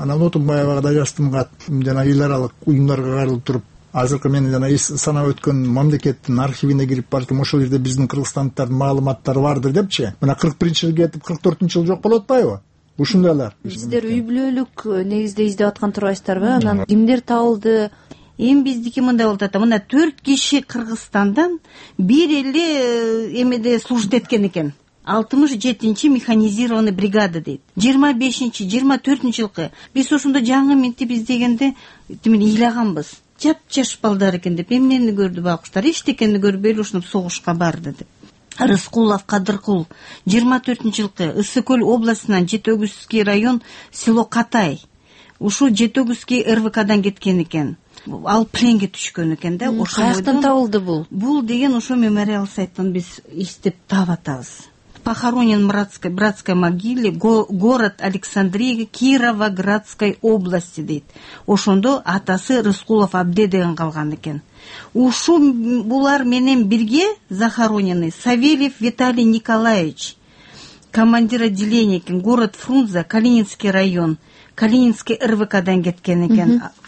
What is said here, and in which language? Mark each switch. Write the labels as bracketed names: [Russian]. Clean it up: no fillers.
[Kyrgyz] Анан Отунбаевага да жаздым кат, жана эл аралык уюмдарга кайрылып туруп, азыркы мен жана санап өткөн мамлекеттин архивине кирип, балким ошол жерде биздин кыргызстандыктардын маалыматтары бардыр депчи. Мына 41 жыл кетип 44 жыл жок боло атпайбы? Ушундайлар. Сиздер үй бүлөлүк негизде издеп аткан турбайсыздарбы? Анан кимдер табылды? Эми биздики мындай болуп атат. Мына 4 киши Кыргызстандан бир эле эмеде служит эткен экен. 67-чи механизированный бригада дейт. 25-чи, 24-чи жылкы. Биз ошондо жаңы минти биздегенде ыйлаганбыз. Жапчаш балдар экен деп эмнени көрдү байкуштар? Эчтекени көрбөй эле ушунуп согушка барды деп. Рыскулов Кадыркул 24-чи жылкы Ысык-Көл областынан Жетөгүзский район село Катай. Ушу Жетөгүзский РВКдан кеткен экен. Ал пленге түшкөн экен да. Каяктан табылды бул? Бул деген ошо мемориал сайттан биз иштеп таап атабыз. [Russian] Похоронен в братской могиле город Александрия Кировоградской области дейт. [Kyrgyz] Ошондо атасы Рыскулов Абде деген калган экен. Ушу булар менен бирге [Russian] захоронены [Kyrgyz] Савельев Виталий Николаевич, [Russian] командир отделения [Kyrgyz] экен, [Russian] город Фрунзе, Калининский район, [Kyrgyz] Калининский РВКдан кеткен экен.